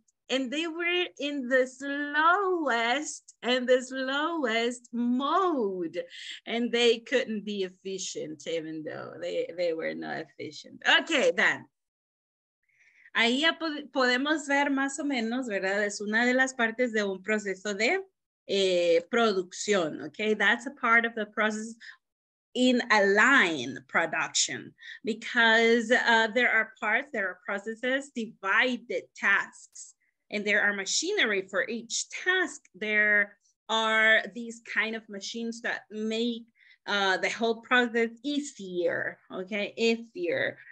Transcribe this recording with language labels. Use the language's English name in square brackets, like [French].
[English] And they were in the slowest mode, and they couldn't be efficient, even though they were not efficient. Okay, then. [Spanish] Ahí ya podemos ver más o menos, ¿verdad? Es una de las partes de un proceso de producción, okay? [English] That's a part of the process in a line production, because there are parts, there are processes, divided tasks, and there are machinery for each task. There are these kind of machines that make the whole process easier, okay, easier.